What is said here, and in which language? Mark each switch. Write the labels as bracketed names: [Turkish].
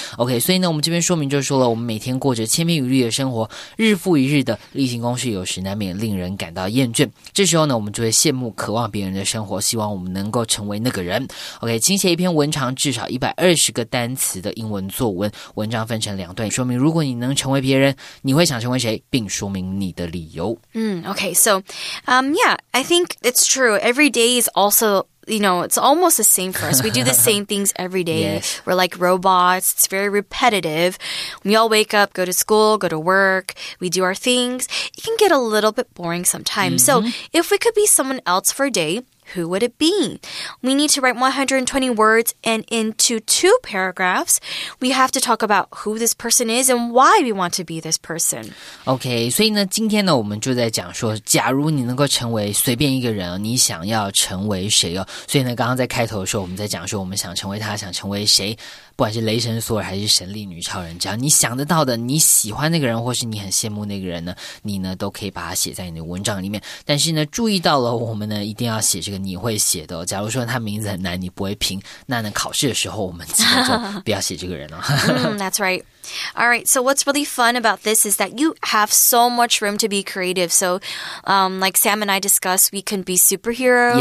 [Chinese] OK, 所以呢我们这边说明就是说了，我们每天过着千篇一律的生活，日复一日的例行公事有时难免令人感到厌倦，这时候呢我们就会羡慕渴望别人的生活，希望我们能够成为那个人。 OK, 请写一篇文长至少120个单词的英文作文，文章分成两段，说明如果你能成为别人，你会想成为谁，并说明你的理由。 [English] Okay, so, yeah, I think it's true. Every day is also... You know, it's almost the same for us. We do the same things every day. Yes. We're like robots. It's very repetitive. We all wake up, go to school, go to work. We do our things. It can get a little bit boring sometimes. So if we could be someone else for a day, who would it be? We need to write 120 words. And into two paragraphs, we have to talk about who this person is and why we want to be this person. [Chinese] Okay, 所以呢今天呢我们就在讲说，假如你能够成为随便一个人，你想要成为谁哦？所以呢刚刚在开头的时候我们在讲说，我们想成为他，想成为谁，不管是雷神索尔还是神力女超人，只要你想得到的，你喜欢那个人或是你很羡慕那个人呢，你呢都可以把它写在你的文章里面。但是呢注意到了，我们呢一定要写这个你会写的、哦、假如说他名字很难你不会拼，那呢考试的时候我们基本就不要写这个人了、哦 [English] That's right. All right, so what's really fun about this is that you have so much room to be creative. So like Sam and I discussed, we can be superheroes.